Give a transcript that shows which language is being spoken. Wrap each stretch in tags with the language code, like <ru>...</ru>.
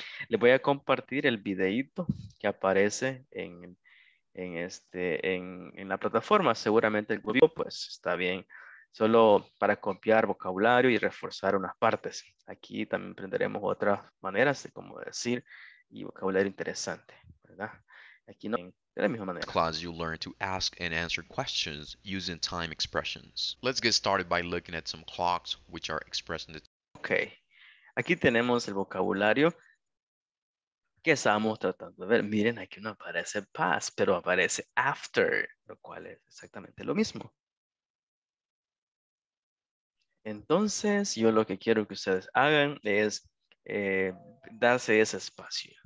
<es>Les voy a compartir el videito que aparece en la plataforma. Seguramente el grupo, pues, está bien. Solo para copiar vocabulario y reforzar unas partes. Aquí también aprenderemos otras maneras de cómo decir y vocabulario interesante, ¿verdad? Aquí no...</es> <en>Class, you learn to ask and answer questions using time expressions. Let's get started by looking at some clocks which are expressing the time.</en> <es>Okay, aquí tenemos el vocabulario que estábamos tratando de ver. Miren, aquí no aparece past, pero aparece after, lo cual es exactamente lo mismo. Entonces, yo lo que quiero que ustedes hagan es darse ese espacio.</es>